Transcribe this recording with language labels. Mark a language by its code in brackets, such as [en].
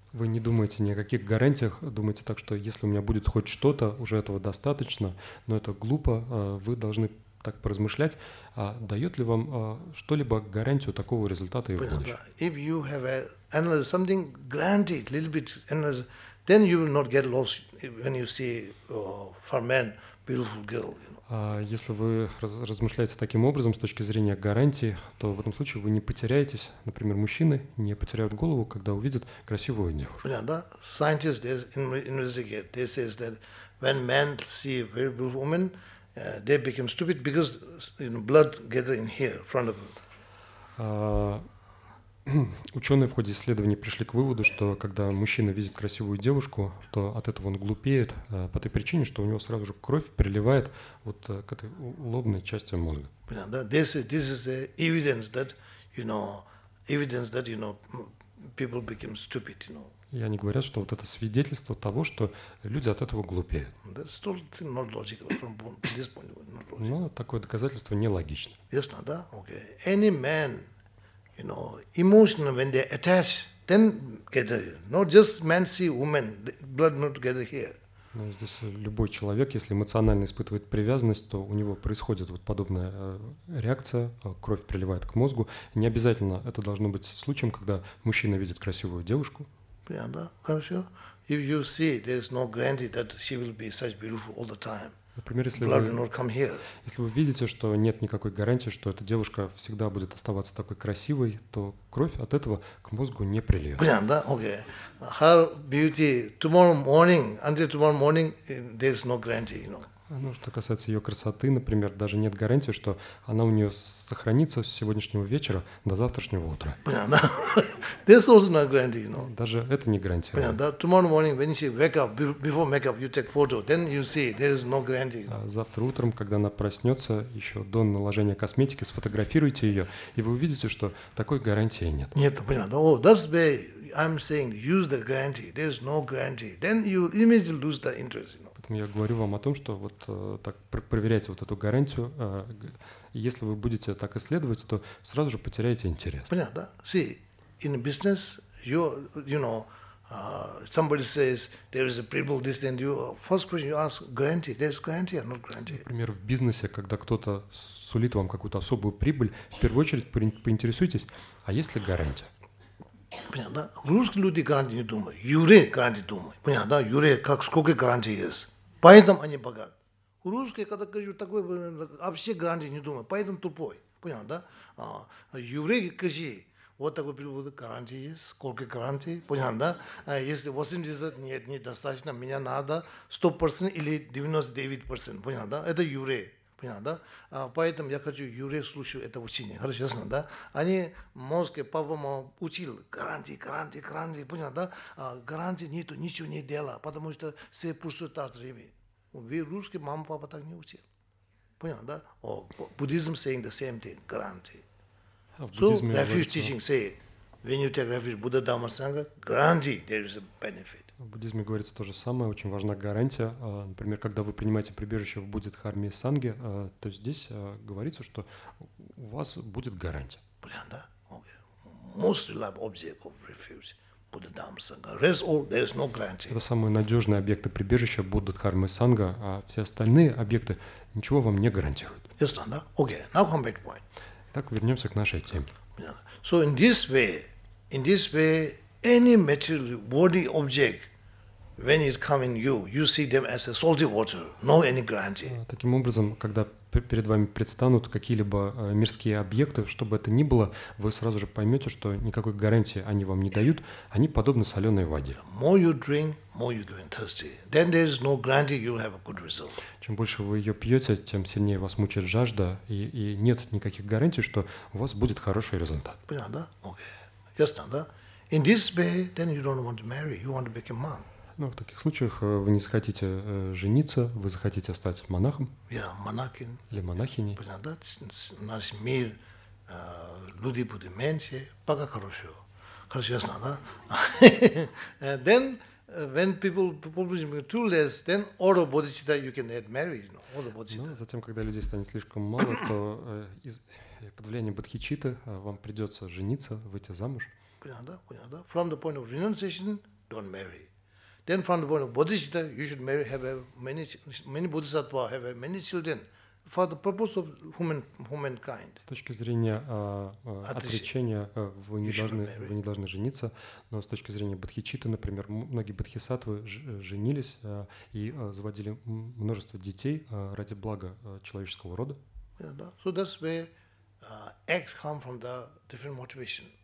[ru] Вы не думаете ни о каких гарантиях, думаете так, что если у меня будет хоть что-то, уже этого достаточно, но это глупо, вы должны так поразмышлять, а дает ли вам что-либо гарантию такого результата и в будущем? [en] If you have analyzed something granted, little bit analyzed, then you will not get lost when you see for men beautiful girl. [ru] Если вы размышляете таким образом с точки зрения гарантии, то в этом случае вы не потеряетесь, например, мужчины не потеряют голову, когда увидят красивую девушку. [en] Yeah, [ru] да. [en] Scientists they investigate. They say that when men see very beautiful woman, they become stupid because blood gathers in here in front of them. [ru] Ученые в ходе исследований пришли к выводу, что когда мужчина видит красивую девушку, то от этого он глупеет по той причине, что у него сразу же кровь приливает вот к этой лобной части мозга. Я не говорю, что вот это свидетельство того, что люди от этого глупеют. [en] That's still not logical from this point of view. [ru] Но такое доказательство нелогично. [en] Yes, not, [ru] да? [en] Okay. Any man, you know, emotion when they attach, then gather. Not just men see women, blood not gather here. [ru] Ну, здесь любой человек, если эмоционально испытывает привязанность, то у него происходит вот подобная реакция, кровь приливает к мозгу. Не обязательно это должно быть случаем, когда мужчина видит красивую девушку. Yeah, да, хорошо. [en] If you see, there is no guarantee that she will be such beautiful all the time. [ru] Например, если вы видите, что нет никакой гарантии, что эта девушка всегда будет оставаться такой красивой, то кровь от этого к мозгу не прильет. Понятно, да? Окей. [en] Her beauty tomorrow morning, until tomorrow morning, there is no guarantee, you know. [ru] Ну, что касается ее красоты, например, даже нет гарантии, что она у нее сохранится с сегодняшнего вечера до завтрашнего утра. Понятно. [en] This also not guarantee, you know. [ru] Даже это не гарантия. Понятно. Да? [en] Tomorrow morning, when she wake up, before makeup, you take photo, then you see there is no guarantee. You know? [ru] Завтра утром, когда она проснется, еще до наложения косметики, сфотографируйте ее, и вы увидите, что такой гарантии нет. Нет, понятно. [en] Oh, that's why I'm saying use the guarantee. There is no guarantee. Then you immediately lose the interest. [ru] Я говорю вам о том, что вот так проверяйте вот эту гарантию. Если вы будете так исследовать, то сразу же потеряете интерес. Понятно, да? [en] See, in business, you know, somebody says there is a problem, this and you. First question you ask, guarantee? There is guarantee or not guarantee? [ru] Например, в бизнесе, когда кто-то сулит вам какую-то особую прибыль, в первую очередь поинтересуйтесь, а есть ли гарантия? Понятно, да? Русские люди гарантии не думают. Евреи гарантии думают. Понятно, да? Евреи, как сколько гарантий есть. Поэтому они богаты. Русские, когда говорят, такой, вообще гарантии не думают. Поэтому тупой. Понятно, да? Евреи, кажи, вот такой прибыль, гарантии есть. Сколько гарантий? Понятно, да? Если 80, нет, недостаточно, меня надо 100% или 99%. Понятно, да? Это евреи. Понятно, да? Поэтому я хочу Юрия слушать это учение. Хорошо, ясно, да? Они мозг папа учил гарантии, понятно, да? Гарантии нету, ничего не дела, потому что все пустые тратили. Вы русские, мама, папа так не учил. Понятно, да? О, буддизм [en] saying the same thing, [ru] гарантии. [en] So, refuge teaching, say, when you take refuge, Buddha, Dhamma, Sangha, guarantee, there is a benefit. [ru] В буддизме говорится то же самое, очень важна гарантия. Например, когда вы принимаете прибежище в Будде, Дхарме и Санге, то здесь говорится, что у вас будет гарантия. Блин, да? [en] Okay. Most reliable object of refuge, Buddha, Dhamma, Sangha. Rest all, there is no guarantee. [ru] Это самые надежные объекты прибежища Будды, Дхармы и Санга, а все остальные объекты ничего вам не гарантируют. Ясно, да? Окей, [en] now come back to point. [ru] Так, вернемся к нашей теме. [en] Yeah. So in this way, any material body object, when it comes in you, you see them as a salty water, no any guarantee. [ru] Таким образом, когда перед вами предстанут какие-либо мирские объекты, что бы это ни было, вы сразу же поймете, что никакой гарантии они вам не дают, они подобны соленой воде. [en] More you drink, more you get thirsty. Then there is no guarantee you'll have a good result. [ru] Чем больше вы ее пьете, тем сильнее вас мучает жажда, и нет никаких гарантий, что у вас будет хороший результат. Понятно, да? Окей. Ясно, да? [en] In this way, then you don't want to marry, you want to become monk. [ru] Ну, в таких случаях вы не захотите жениться, вы захотите стать монахом. [en] Yeah, monachin. [ru] Или монахиней. Понятно, да? Наш мир, люди будут меньше, пока хорошо. Хорошо, ясно, да? [en] Then, when people become too less, then all the bodhicitta you can add married, you know, all the bodhicitta. [ru] Затем, когда людей станет слишком мало, то под влиянием бодхичитты вам придется жениться, выйти замуж. Понятно, понятно. [en] From the point of renunciation, don't marry. Then from the point of bodhicitta, you should marry, have many bodhisattva, have many children for the purpose of humankind. [ru] С точки зрения отречения вы не должны жениться, но с точки зрения бодхичитты, например, многие бодхисаттвы женились и заводили множество детей ради блага человеческого рода. [en] Yeah, so that's where acts come from the different motivation.